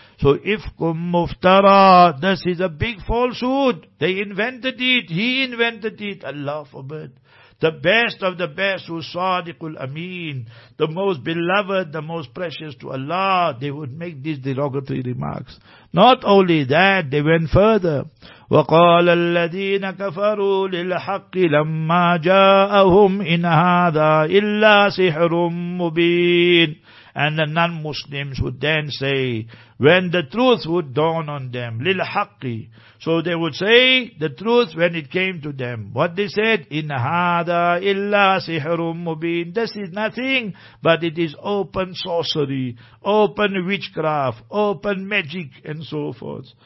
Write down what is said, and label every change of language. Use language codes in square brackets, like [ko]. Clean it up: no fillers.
[en] So ifkum muftara, this is a big falsehood. They invented it, he invented it, Allah forbid. The best of the best, who sadiqul ameen, the most beloved, the most precious to Allah, they would make these derogatory remarks. Not only that, they went further. [ar] وقال الذين كفروا للحق لما جاءهم إن هذا إلا سحر مبين. [en] And the non-Muslims would then say, when the truth would dawn on them, lilhaqi. So they would say the truth when it came to them. What they said, [ar] in hada illa sihrum mubin. [en] This is nothing, but it is open sorcery, open witchcraft, open magic, and so forth.